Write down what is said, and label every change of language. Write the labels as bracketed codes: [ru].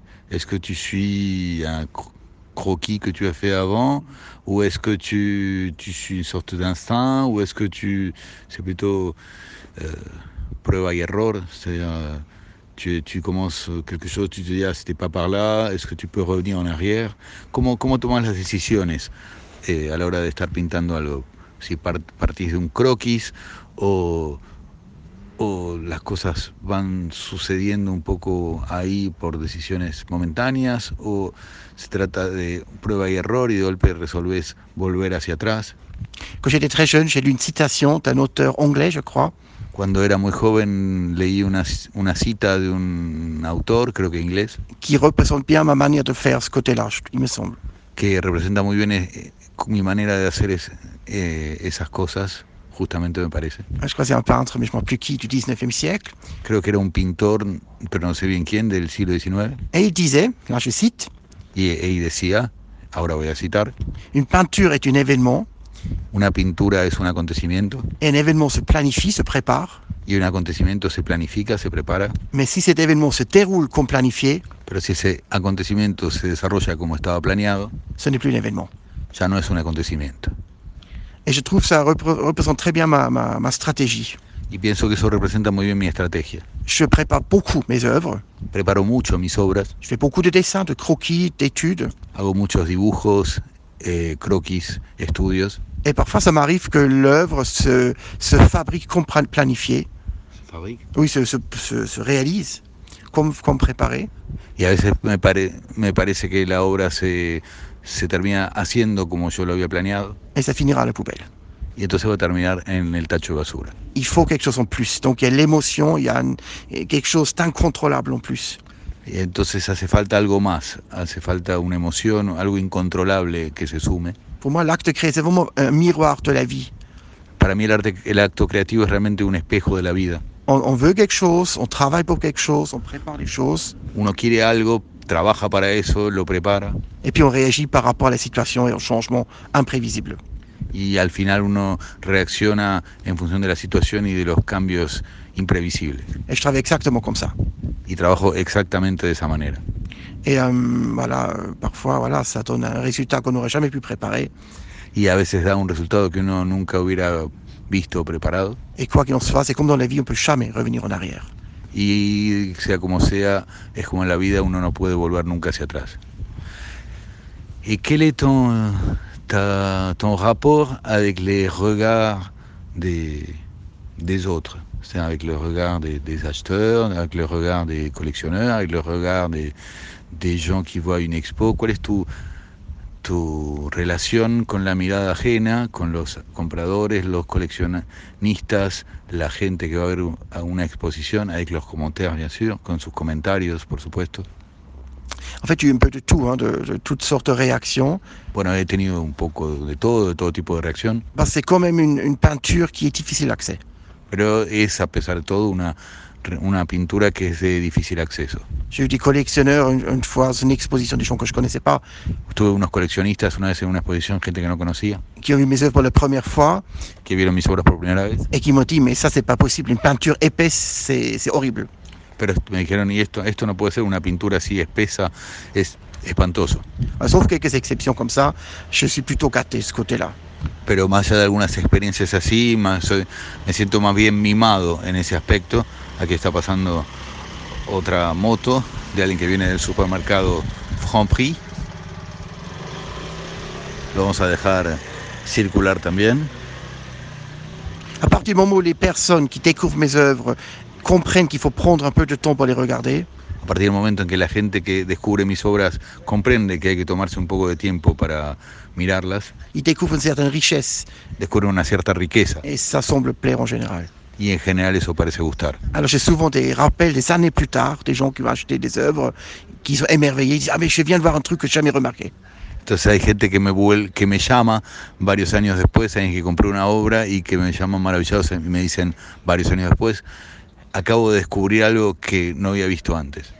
[fr] Est-ce que tu suis un croquis que tu as fait avant, ou est-ce que tu suis une sorte d'instinct, ou est-ce que c'est plutôt preuve et erreur, c'est-à-dire tu commences quelque chose, tu te dis ah, c'était pas par là, est-ce que tu peux revenir en arrière? [es] Comment tomas las decisiones à la hora de estar pintando algo? Si partís de un croquis o las cosas van sucediendo un poco ahí por decisiones momentáneas, o se trata de prueba y error y de golpe resolvés volver hacia atrás. [fr] Quand j'étais très jeune, j'ai lu une citation d'un auteur anglais, je crois. [es] Cuando era muy joven leí una cita de un autor, creo que inglés, [fr] Qui représente bien ma manière de faire ce côté-là, il me semble. [es] que representa muy bien mi manera de hacer esas cosas, justamente me parece. [fr] Je crois que c'est un peintre, mais je ne me rappelle plus qui, du 19e siècle. [es] Creo que era un pintor, pero no sé bien quién, del siglo XIX. [fr] Et il disait, là je cite, [es] Y decía, ahora voy a citar, [fr] une peinture est un événement. [es] una pintura es un acontecimiento, [fr] Un événement se planifie, se prépare. [es] y un acontecimiento se planifica, se prepara, [fr] Mais si cet événement se déroule comme planifié, [es] pero si ese acontecimiento se desarrolla como estaba planeado, [fr] ce n'est plus un événement. [es] ya no es un acontecimiento. [fr] Et je trouve que ça représente très bien ma stratégie. [es] Y pienso que eso representa muy bien mi estrategia. [fr] Je prépare beaucoup mes œuvres. [es] Preparo mucho mis obras. [fr] Je fais beaucoup de dessins, de croquis, d'études. [es] Hago muchos dibujos, croquis, estudios. [fr] Et parfois, ça m'arrive que l'œuvre se fabrique comme planifié. Se fabrique. Oui, se réalise comme préparé. [es] Y a veces me parece que la obra se termina haciendo como yo lo había planeado. [fr] Et ça finira à la poubelle. [es] Y entonces va a terminar en el tacho de basura. [fr] Il faut quelque chose en plus. Donc, il y a l'émotion, il y a quelque chose d'incontrôlable en plus. [es] Y entonces hace falta algo más, hace falta una emoción, algo incontrolable que se sume. [fr] Pour moi, l'acte créé, c'est vraiment un miroir de la vie. [es] Para mí el acto creativo es realmente un espejo de la vida. [fr] On veut quelque chose, on travaille pour quelque chose, on prépare les choses. [es] Uno quiere algo, trabaja para eso, lo prepara. [fr] Et puis on réagit par rapport à la situation et au changement imprévisible. [es] Y al final uno reacciona en función de la situación y de los cambios imprevisibles. [fr] Et je travaille exactement comme ça. [es] Y trabajo exactamente de esa manera. [fr] Et voilà, parfois, voilà, ça donne un résultat qu'on n'aurait jamais pu préparer. [es] Y a veces da un resultado que uno nunca hubiera visto o preparado. [fr] Et quoi qu'il en soit, c'est comme dans la vie, on ne peut jamais revenir en arrière. [es] Y sea como sea, es como en la vida, uno no puede volver nunca hacia atrás. ¿Y qué es [fr] ton rapport avec les regards des autres? C'est avec le regard des acheteurs, avec le regard des collectionneurs, avec le regard des gens qui voient une expo. Quelle est [es] tu relation con la mirada ajena, con los compradores, los coleccionistas, la gente que va a ver a una exposition, [fr] avec leurs commentaires, bien sûr, [es] con sus comentarios, por supuesto? [fr] En fait, j'ai eu un peu de tout, hein, de toutes sortes de réactions. [es] Bueno, he tenido un poco de todo tipo de reacción. [fr] Ben, c'est quand même une peinture qui est difficile d'accès. [es] Pero es, a pesar de todo, una pintura que es de difícil acceso. [fr] J'ai eu des collectionneurs une fois dans une exposition, des gens que je ne connaissais pas, [es] Tuve unos coleccionistas una vez en una exposición, gente que no conocía, [fr] qui ont vu mes œuvres pour la première fois [es] que vieron mis obras por primera vez. [fr] et qui m'ont dit, mais ça, c'est pas possible, une peinture épaisse, c'est horrible. [es] Pero me dijeron, y esto no puede ser una pintura así espesa, es espantoso. [fr] Sauf quelques exceptions comme ça, je suis plutôt gâté de ce côté-là. [es] Pero más allá de algunas experiencias así, me siento más bien mimado en ese aspecto. Aquí está pasando otra moto de alguien que viene del supermercado Franprix. Lo vamos a dejar circular también. [fr] À partir du moment où les personnes qui découvrent mes œuvres comprennent qu'il faut prendre un peu de temps pour les regarder. [es] A partir del momento en que la gente que descubre mis obras comprende que hay que tomarse un poco de tiempo para mirarlas, [fr] Ils découvrent une certaine richesse. [es] descubre una cierta riqueza. [fr] Et ça semble plaire en général. [es] Y en general eso parece gustar. [fr] Alors j'ai souvent des rappels des années plus tard, des gens qui m'ont acheté des œuvres, qui sont émerveillés. Ils disent, ah mais je viens de voir un truc que je n'ai jamais remarqué. [es] Entonces hay gente que me llama varios años después, alguien que compró una obra y que me llaman maravillados y me dicen varios años después. Acabo de descubrir algo que no había visto antes.